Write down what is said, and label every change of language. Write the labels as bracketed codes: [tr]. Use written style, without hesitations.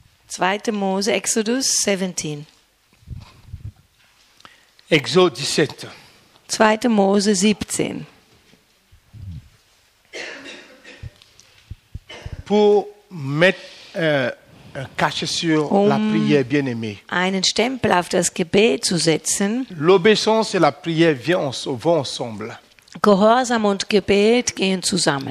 [de] Zweite Mose, Exodus 17. [fr] Exode 17. [de] 2. Mose 17. [fr] Pour mettre un cachet sur la prière bien-aimée. [de] Einen Stempel auf das Gebet zu setzen. [fr] L'obéissance et la prière vont ensemble. [de] Gehorsam und Gebet gehen zusammen.